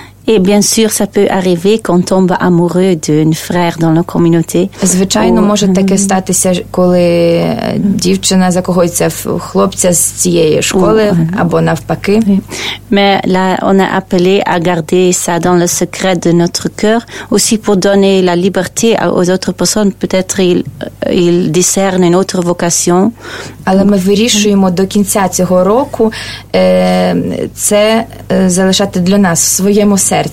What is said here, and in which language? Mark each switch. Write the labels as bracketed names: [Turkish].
[French] Et bien sûr, ça peut arriver quand on tombe amoureux d'un frère dans la communauté. [Ukrainian] Звичайно, може таке статися, коли дівчина закохується в хлопця з цієї школи або навпаки. [French] Mais là, on est appelé à garder ça dans le secret de notre cœur, aussi pour donner la liberté aux autres personnes, peut-être ils discernent une autre vocation. [Ukrainian] Але ми вирішуємо до кінця цього року це залишати для нас в своєму серці.